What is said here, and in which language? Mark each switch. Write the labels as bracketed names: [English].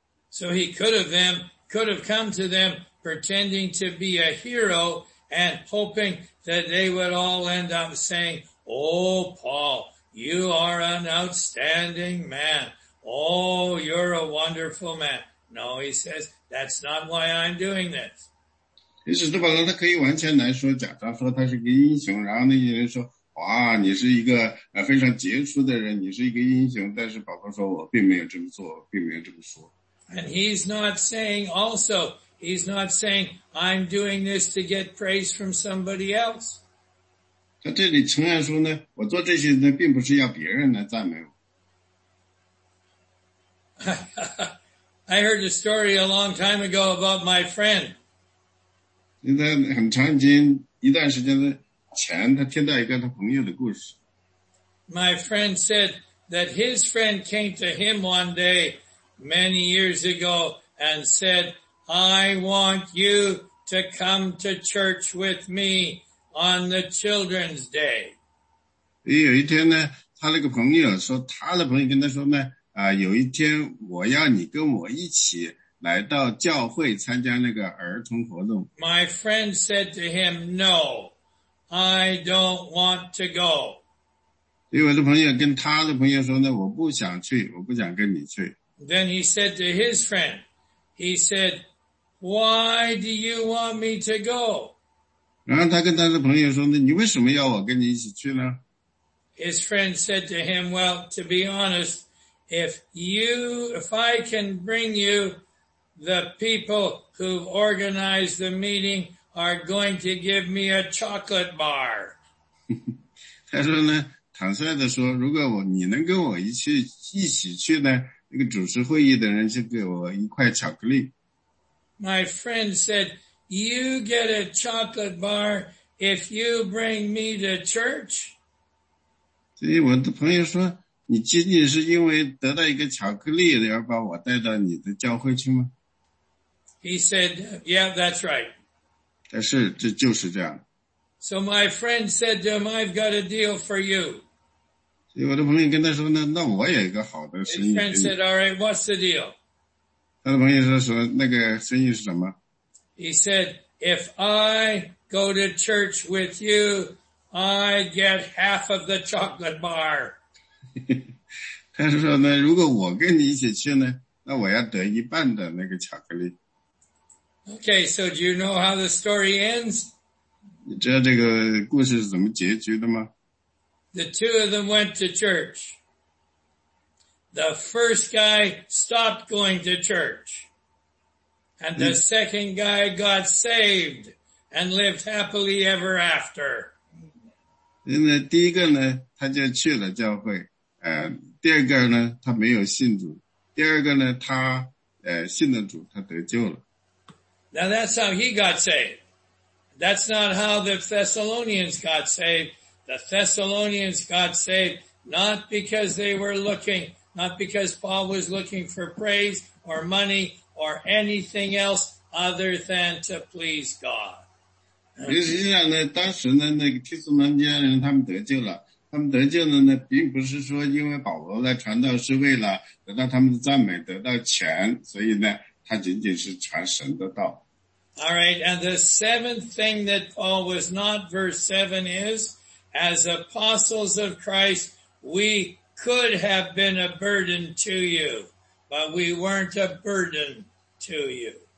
[English] So he could have come to them pretending to be a hero and hoping that they would all end up saying, Oh, Paul, you are an outstanding man. Oh, you're a wonderful man. No, he says, that's not why I'm doing this. [Chinese] 其实这本来他可以完全来说假装说他是个英雄，然后那些人说哇，你是一个非常杰出的人，你是一个英雄，但是保罗说我并没有这么做，并没有这么说。 [English] And he's not saying also, he's not saying, I'm doing this to get praise from somebody else. [Chinese] 他这里承认说呢，我做这些呢，并不是要别人来赞美我。 [English] I heard a story a long time ago about my friend. [Chinese] 在很长一段时间的前，他听到一个他朋友的故事。 [English] My friend said that his friend came to him one day,many years ago, and said, I want you to come to church with me on the Children's Day. [Chinese] 有一天呢，他那个朋友说，他的朋友跟他说呢，有一天我要你跟我一起来到教会参加那个儿童活动。 [English] My friend said to him, No, I don't want to go. [Chinese] 因为我的朋友跟他的朋友说呢，我不想去，我不想跟你去。 [English] Then he said to his friend, he said, why do you want me to go? [Chinese] 然后他跟他的朋友说呢，你为什么要我跟你一起去呢？ [English] His friend said to him, well, to be honest, if I can bring you the people who've organized the meeting are going to give me a chocolate bar. [Chinese] 他说呢，坦率地说，如果你能跟我一起去呢，那个主持会议的人就给我一块巧克力。 [English] My friend said, you get a chocolate bar if you bring me to church. [Chinese] 所以我的朋友说，你仅仅是因为得到一个巧克力而把我带到你的教会去吗？ [English] He said, yeah, that's right. [Chinese] 但是这就是这样。 [English] So my friend said to him, I've got a deal for you. [Chinese] 所以我的朋友跟他说呢，那我有一个好的生意。 [English] His friend said, all right, what's the deal? [Chinese] 他的朋友说说那个生意是什么？ [English] He said, if I go to church with you, I get half of the chocolate bar. [Chinese] 他说呢，如果我跟你一起去呢，那我要得一半的那个巧克力。 [English] Okay, so do you know how the story ends? [Chinese] 你知道这个故事是怎么结局的吗？ [English] The two of them went to church. The first guy stopped going to church. And the second guy got saved and lived happily ever after. [Chinese] 那第一个呢，他就去了教会。第二个呢，他没有信主。第二个呢，他信了主，他得救了。 [English] Now that's how he got saved. That's not how the Thessalonians got saved. The Thessalonians got saved not because they were looking, not because Paul was looking for praise or money or anything else other than to please God. [Chinese] 实际上呢，当时呢，那个提斯门家人他们得救了。他们得救了呢，并不是说因为保罗来传道是为了得到他们的赞美，得到钱，所以呢，他仅仅是传神的道。 [English] All right, and the seventh thing that Paul was not, verse 7 is, as apostles of Christ, we could have been a burden to you, but we weren't a burden to you.